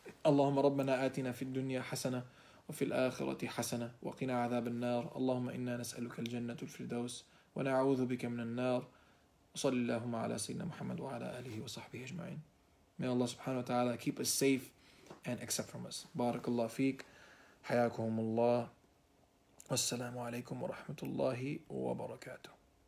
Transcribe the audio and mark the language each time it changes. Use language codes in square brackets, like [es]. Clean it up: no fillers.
[ar] اللهم ربنا آتنا في الدنيا حسنة وفي الآخرة حسنة وقنا عذاب النار اللهم إنا نسألك الجنة الفردوس ونعوذ بك من النار صلى الله على سيدنا محمد وعلى آله وصحبه أجمعين. [en] May Allah subhanahu wa ta'ala keep us safe and accept from us. [ar] بارك الله فيك حياكم الله والسلام عليكم ورحمة الله وبركاته.